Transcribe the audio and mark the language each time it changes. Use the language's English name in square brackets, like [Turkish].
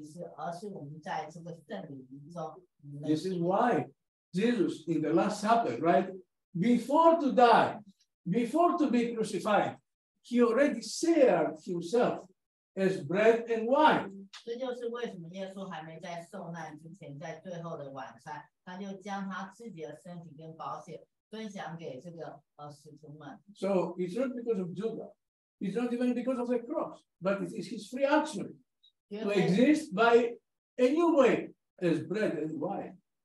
[Chinese] 那我们认识耶稣，并不是因为我们脑海里的思想或者是我们研读圣经，或者是我们见证一些神迹奇事，而是我们在这个圣礼仪中。 [English] This is why Jesus in the Last Supper, right? Before to die, before to be crucified, he already shared himself as bread and wine. [Chinese] 这就是为什么耶稣还没在受难之前，在最后的晚餐，他就将他自己的身体跟宝血分享给这个使徒们。 [English] So it's not because of Judas, it's not even because of the cross, but it is his free action to exist by a new way as bread and wine.